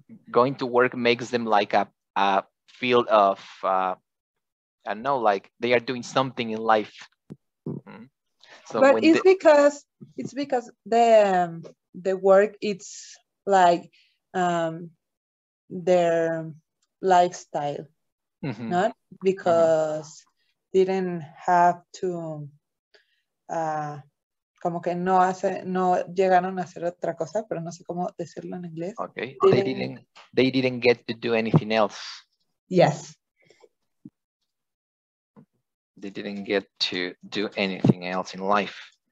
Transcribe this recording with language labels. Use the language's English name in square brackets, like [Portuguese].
[English] Going to work makes them like a feel of, I don't know, like they are doing something in life. Mm-hmm. So but it's because the work, it's like their lifestyle, mm-hmm. not because mm-hmm. didn't have to, [Spanish] como que no hace, no llegaron a hacer otra cosa, pero no sé cómo decirlo en inglés. [English] Okay, they didn't get to do anything else. Yes. They didn't get to do anything else in life.